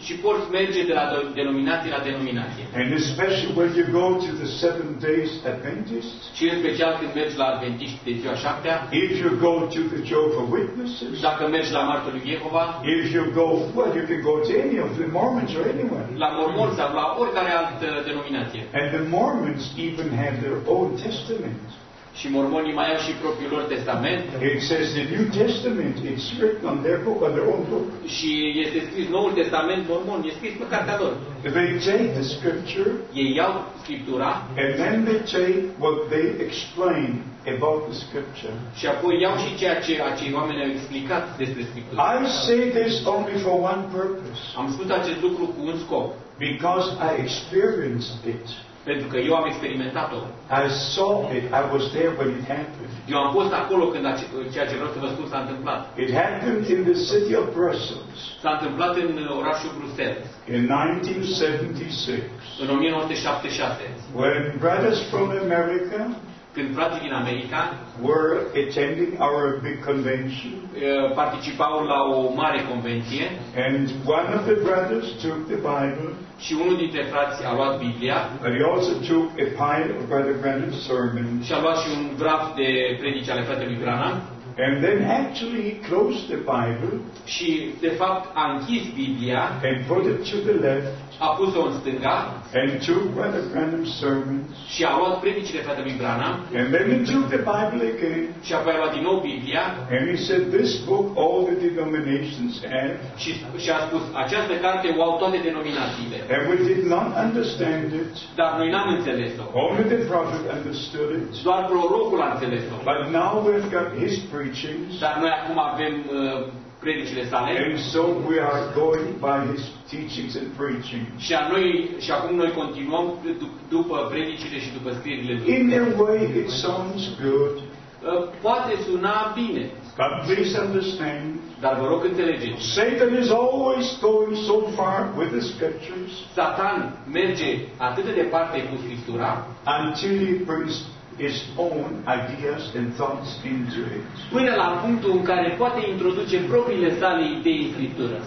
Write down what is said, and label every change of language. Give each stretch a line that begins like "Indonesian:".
Romanian: Și poți merge de la denominație la denominație.
English: And especially when you go to the Seventh Day Adventists.
Romanian: Și în special când mergi la Adventiști de ziua șaptea.
English: If you go to the Jehovah's Witnesses.
Romanian: Dacă mergi la Mărturii lui Iehova.
English: If you go, well, you can go to any of the Mormons or anyone.
Romanian: La Mormon sau la oricare altă denominație.
English: And the Mormons even have their own testament.
Romanian: Și mormonii mai au și propriul lor testament.
English: It says the New Testament is written on their book, on their own book.
Romanian: Și este scris Noul Testament mormon, este scris pe cartea lor.
English: They take the scripture.
Romanian: Ei iau Scriptura.
English: And then they take what they explain about the scripture.
Romanian: Și apoi iau și ceea ce acei oameni au explicat despre Scriptură.
English: I say this only for one purpose.
Romanian: Am spus acest lucru cu un scop.
English: Because I experienced it.
Romanian: Pentru că eu am experimentat-o.
English: I saw it. I was there when it happened.
Romanian: Eu am fost acolo când ceea ce vreau să vă spun s-a întâmplat.
English: It happened in the city of Brussels.
Romanian: S-a întâmplat în orașul Bruxelles.
English: In 1976.
Romanian: În 1976.
English: When brothers from America.
Romanian: Când frații din America.
English: Were attending our big convention.
Romanian: Participau la o mare convenție.
English: And one of the brothers took the Bible.
Romanian: Și unul dintre frați a luat Biblia.
English: But he also took a pile of Brother Branham's sermon.
Romanian: Și a luat și un graf de predici ale fratelui Branham.
English: And then actually he closed the Bible.
Romanian: Și de fapt a închis Biblia.
English: And put it to the left.
Romanian: A pus-o în stânga.
English: And took Brother Branham's sermon.
Romanian: Și a luat predicile fratelui Branham.
English: And then he took the Bible again.
Romanian: Și apoi a luat din nou Biblia.
English: And he said, "This book all the denominations have."
Romanian: Și a spus, această carte o au toate denominațiile.
English: And we did not understand it.
Romanian: Dar noi n-am înțeles-o.
English: Only the prophet understood it.
Romanian: Doar prorocul a înțeles-o.
English: But now we've got his preachings.
Romanian: Dar noi acum avem predicile sale.
English: And so we are going by his teachings and preaching.
Romanian: Și noi și acum noi continuăm după predicile și după scrierile lui.
English: In a way it sounds good.
Romanian: poate suna bine.
English: But please understand.
Romanian: Dar vă rog înțelegeți.
English: Satan is always going so far with the scriptures.
Romanian: Satan merge atât de departe cu Scriptura.
English: Until he brings his own ideas and thoughts into it.
Romanian: Până la punctul în care poate introduce propriile sale idei în Scriptură.